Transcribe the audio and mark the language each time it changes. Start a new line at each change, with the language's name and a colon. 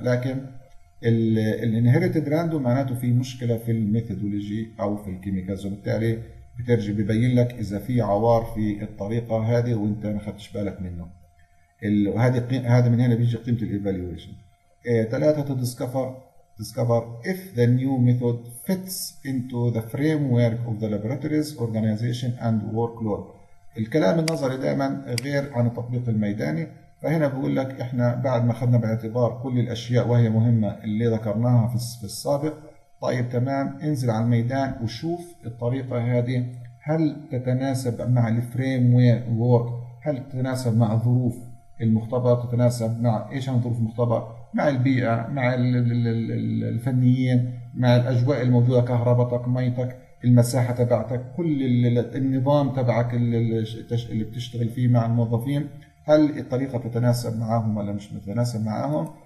Arabic: لكن الانهيريتد راندوم معناته في مشكلة في الميثودولوجي أو في الكيميكالز، وبالتالي بترجي بيبين لك إذا في عوار في الطريقة هذه وانت ما خدتش بالك منه. وهذا من هنا بيجي قيمة الإيفاليويشن. ثلاثة،
English: to discover discover if the new method fits into the framework of the laboratory's organization and workload.
Arabic: الكلام النظري دائما غير عن التطبيق الميداني. فهنا بقول لك احنا بعد ما خدنا باعتبار كل الاشياء وهي مهمة اللي ذكرناها في السابق، طيب تمام، انزل على الميدان وشوف الطريقة هذه هل تتناسب مع الفريم وورك، هل تتناسب مع ظروف المختبر، تتناسب مع ايش عن ظروف المختبر، مع البيئة، مع الفنيين، مع الاجواء الموجودة، كهربتك، ميتك، المساحة تبعتك، كل النظام تبعك اللي بتشتغل فيه مع الموظفين، هل الطريقة تتناسب معهم ولا مش متناسب معهم.